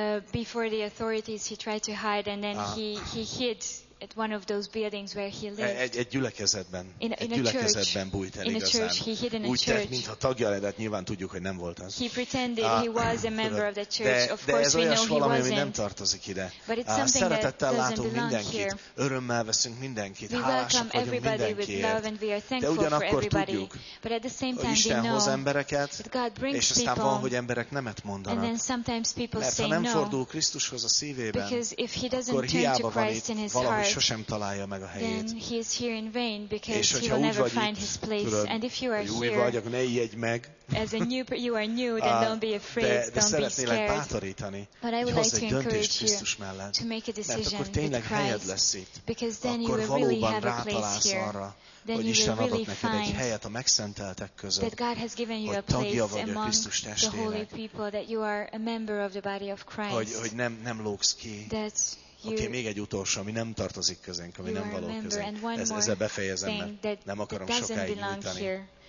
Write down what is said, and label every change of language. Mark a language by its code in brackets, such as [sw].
[en] Before the authorities, he tried to hide, and then he hid at one of those buildings where he lived. [hu] Egy gyülekezetben. Gyülekezetben bújt el igazán. [en] He hid in [hu] úgy tett, mintha tagja lenne, nyilván tudjuk, hogy nem volt az. [en] He pretended he was a member of the church. [hu] De ez olyas valami, ami nem tartozik ide. Szeretettel látunk mindenkit. Örömmel veszünk mindenkit. Hálásak vagyunk mindenkiért. De ugyanakkor tudjuk, hogy Isten hoz embereket, és aztán van, hogy emberek nemet mondanak. Mert ha nem fordul Krisztushoz a szívében, akkor hiába van itt valami. Hogy sosem találja meg a helyét. [en] Then he is here in vain because he will never find his place. And if you are here, [hu] vagy, akkor ne ijedj meg. [en] As a new, you are new, then don't be afraid, don't be scared. [hu] Bátorítani. [en] But I would like to encourage you to make a decision with Christ. Because then you will really have a place here. Then you will really find [hu] helyet a megszenteltek között, [en] that God has given you a place among the holy people, that you are a member of the body of Christ. [hu] Hogy nem lógsz ki. Okay, még egy utolsó, ami nem tartozik közénk, ami nem való közénk. Ezzel befejezem, mert nem akarom sokáig nyújtani.